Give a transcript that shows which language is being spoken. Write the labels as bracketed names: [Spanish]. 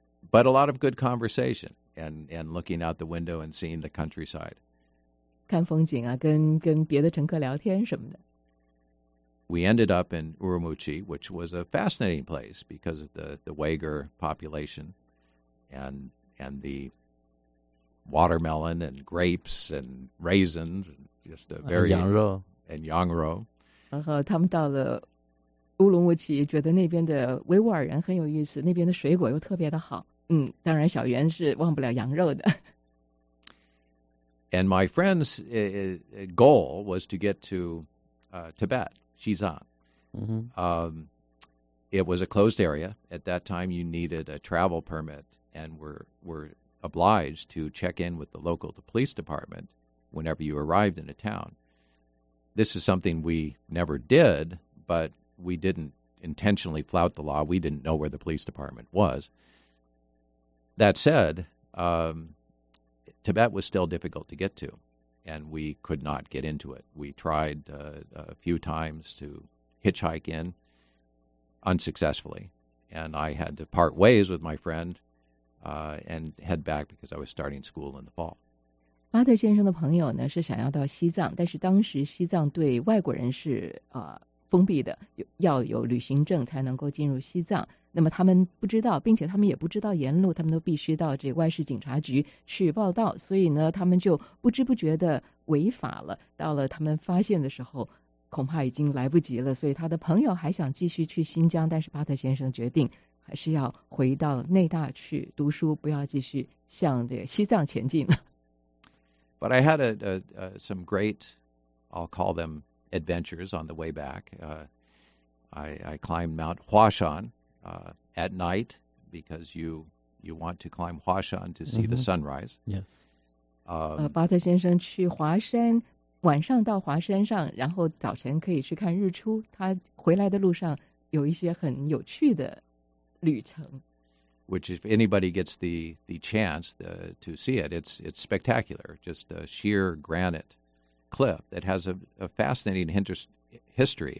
[English] But a lot of good conversation and looking out the window and seeing the countryside. [Chinese] 看风景啊，跟别的乘客聊天什么的。 [English] We ended up in Urumqi, which was a fascinating place because of the Uyghur population. And the watermelon and grapes and raisins, just a very [Chinese] Yang Ro. 然后他们到了乌鲁木齐，觉得那边的维吾尔人很有意思，那边的水果又特别的好。当然小袁是忘不了羊肉的。 [English] And my friend's goal was to get to Tibet, Xizang. It was a closed area. At that time, you needed a travel permit. And were obliged to check in with the local police department whenever you arrived in a town. This is something we never did, but we didn't intentionally flout the law. We didn't know where the police department was. That said, Tibet was still difficult to get to, and we could not get into it. We tried a few times to hitchhike in unsuccessfully, and I had to part ways with my friend and head back because I was starting school in the fall. [Chinese] 巴特先生的朋友呢是想要到西藏，但是当时西藏对外国人是封闭的，要有旅行证才能够进入西藏。那么他们不知道，并且他们也不知道沿路，他们都必须到这外事警察局去报到，所以呢，他们就不知不觉的违法了。到了他们发现的时候，恐怕已经来不及了。所以他的朋友还想继续去新疆，但是巴特先生决定还是要回到内大去读书，不要继续向这个西藏前进了。 [English] But I had some great, I'll call them adventures on the way back. I climbed Mount Huashan at night because you want to climb Huashan to see the sunrise. Yes. [Chinese] 巴特先生去华山，晚上到华山上，然后早晨可以去看日出。他回来的路上有一些很有趣的旅程。 [English] Which, if anybody gets the chance to see it, it's spectacular. Just a sheer granite cliff that has a fascinating history.